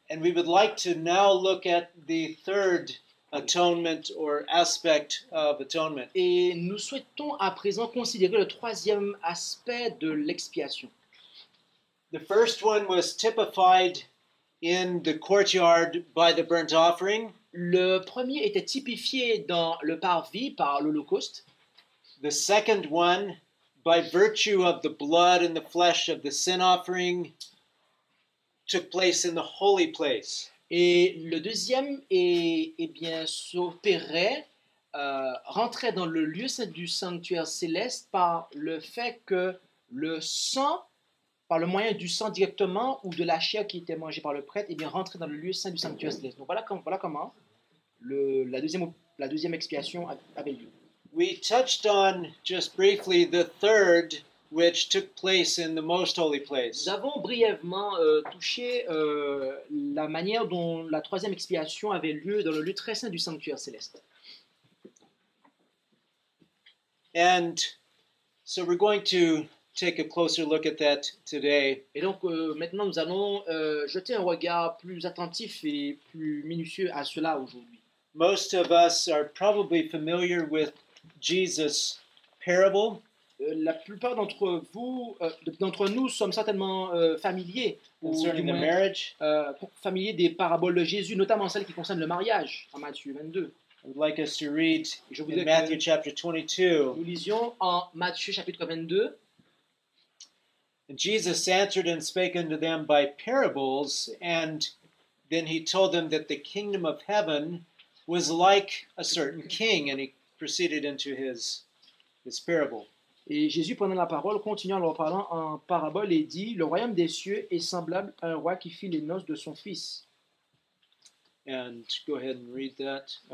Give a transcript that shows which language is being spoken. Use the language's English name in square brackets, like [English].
[English] And we would like to now look at the third atonement or aspect of atonement. [French] Et nous souhaitons à présent considérer le troisième aspect de l'expiation. [English] The first one was typified in the courtyard by the burnt offering. [French] Le premier était typifié dans le parvis par l'holocauste. [English] The second one by virtue of the blood and the flesh of the sin offering took place in the holy place. [French] Et le deuxième bien s'opérait, rentrait dans le lieu saint du sanctuaire céleste par le fait que le sang, par le moyen du sang directement ou de la chair qui était mangée par le prêtre, rentrait dans le lieu saint du sanctuaire céleste. Donc voilà comment la deuxième expiation avait lieu. [English] We touched on just briefly the third, which took place in the most holy place. [French] Nous avons brièvement touché la manière dont la troisième expiation avait lieu dans le lieu très saint du sanctuaire céleste. [English] And so we're going to take a closer look at that today. [French] Et donc maintenant nous allons jeter un regard plus attentif et plus minutieux à cela aujourd'hui. [English] Most of us are probably familiar with Jesus' parable. [French] La plupart d'entre vous, d'entre nous, sommes certainement familiers, ou [English] concerning [French] du moins, [English] the marriage. [French] Familiers des paraboles de Jésus, notamment celles qui concernent le mariage, en Matthieu 22. [English] I would like us to read [French] je voudrais [English] in Matthew chapter 22. [French] Nous lisions en Matthieu chapitre 22. [English] And Jesus answered and spake unto them by parables, and then he told them that the kingdom of heaven was like a certain king, and he proceeded into his parable. [French] Et Jésus prenant la parole, continuant en leur parlant en parabole, et dit, le royaume des cieux est semblable à un roi qui fit les noces de son fils. [English] And go ahead and read that.